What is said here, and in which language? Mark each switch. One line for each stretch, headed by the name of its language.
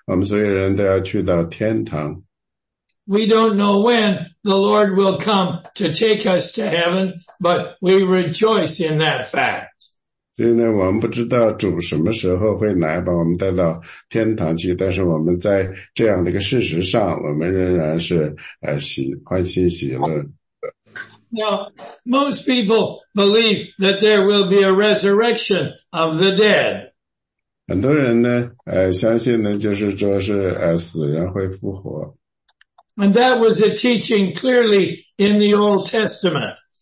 Chinese: 所以这个里面呢，这是一件很神奇的事，因为圣经并没有说我们都会死，说我们都要会被改变，我们所有人都要去到天堂。
English: We don't know when the Lord will come to take us to heaven, but we rejoice in that fact.
Chinese: 所以呢，我们不知道主什么时候会来把我们带到天堂去，但是我们在这样的一个事实上，我们仍然是喜欢欣喜乐。
English: Now, most people believe that there will be a resurrection of the dead.
Chinese: 很多人呢，相信呢，就是说是死人会复活。
English: And that was a teaching clearly in the Old Testament.